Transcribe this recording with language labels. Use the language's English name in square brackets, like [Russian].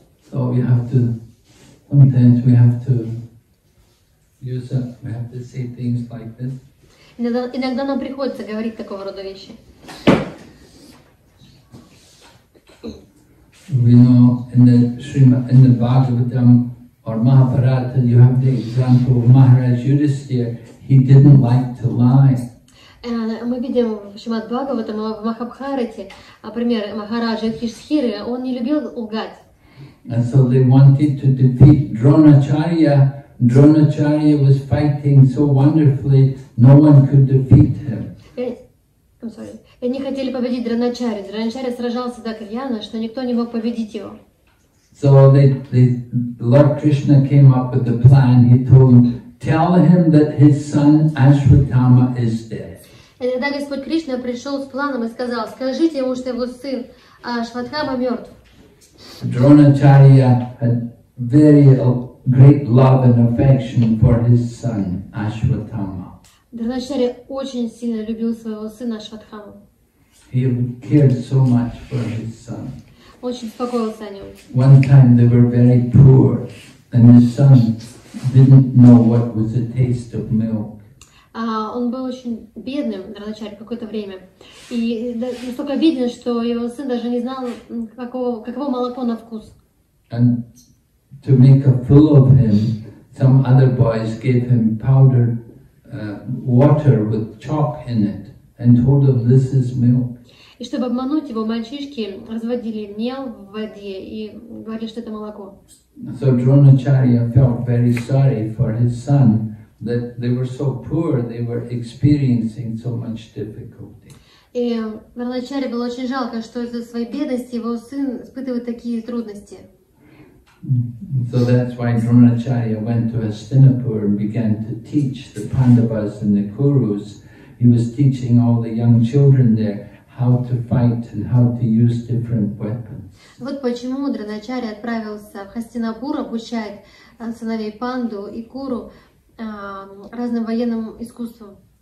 [English] So we have to, sometimes we have to use up, we have to say things like this. [Russian] Иногда нам приходится говорить такого рода вещи. [English] We know in the Srimad, in the Bhagavatam or Mahabharata, you have the example of Maharaj Yudhisthira. He didn't like to lie. [Russian] Мы видим в Шримад Бхагаватам в Махабхарате, например, Махараджа Юдхиштхиры, он не любил лгать. [English] And so they wanted to defeat Дроначарья. Дроначарья was fighting so wonderfully, no one could defeat him. [Russian] И они хотели победить Дроначарью. Дроначарья сражался так рьяно, что никто не мог победить его. [English] So the Lord Krishna came up with the plan. He told him, tell him that his son Ashwatthama is dead. [Russian] И тогда Господь Кришна пришел с планом и сказал, скажите ему, что его сын Ашватхама мертв. [English] Дроначарья had very great love and affection for his son Ашватхама. [Russian] Дроначарья очень сильно любил своего сына Ашватхаму. [English] He cared so much for his son. [Russian] Очень беспокоился о нем. [English] One time they were very poor, and his son didn't know what was the taste of milk. [Russian] Он был очень бедным, Дроначарья, какое-то время. И настолько беден, что его сын даже не знал, каково молоко на вкус. [English] And to make a fool of him, some other boys gave him powder. Water with chalk in it, and told him this is milk. [Russian] И чтобы обмануть его, мальчишки разводили мел в воде и говорили, что это молоко. [English] So Dronacharya felt very sorry for his son that they were so poor, they were experiencing so much difficulty. [Russian] И Дроначарье было очень жалко, что из-за своей бедности его сын испытывает такие трудности. [English] So that's why Dronacharya went to Hastinapur and began to teach the Pandavas and the Kurus. He was teaching all the young children there how to fight and how to use different weapons. [Russian] Вот почему Дроначарья отправился в Хастинапур обучать сыновей Панду и Куру разным военным искусствам.